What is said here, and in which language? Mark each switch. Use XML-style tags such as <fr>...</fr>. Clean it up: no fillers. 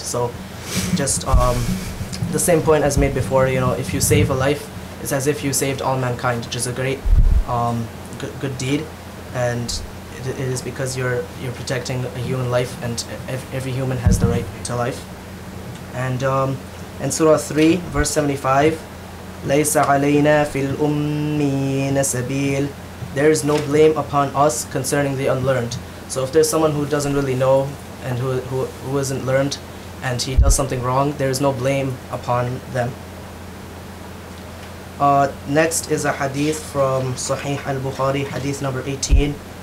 <en>So just the same point as made before, you know, if you save a life, it's as if you saved all mankind, which is a great good deed. And it is because you're protecting a human life, and every human has the right to life. And in Surah 3, verse 75,</en> <ar>لَيْسَ عَلَيْنَا فِي الْأُمِّينَ سَبِيلٍ.</ar> <en>There is no blame upon us concerning the unlearned. So if there's someone who doesn't really know and who isn't learned, and he does something wrong, there is no blame upon them. Next is a hadith from Sahih al-Bukhari, hadith number 18.</en>